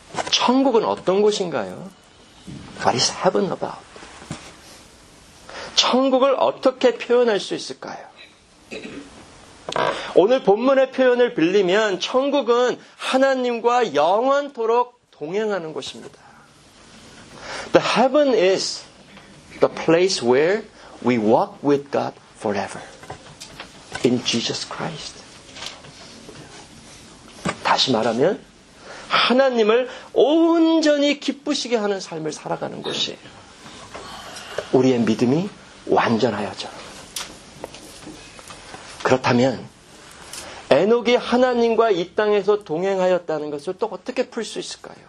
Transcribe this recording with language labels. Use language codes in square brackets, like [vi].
[ko] 천국은 어떤 곳인가요? [en] What is heaven about? [ko] 천국을 어떻게 표현할 수 있을까요? 오늘 본문의 표현을 빌리면 천국은 하나님과 영원토록 동행하는 곳입니다. [en] The heaven is the place where we walk with God forever in Jesus Christ. [ko] 다시 말하면 하나님을 온전히 기쁘시게 하는 삶을 살아가는 곳이에요. 우리의 믿음이 완전하여져. 그렇다면 에녹이 하나님과 이 땅에서 동행하였다는 것을 또 어떻게 풀 수 있을까요?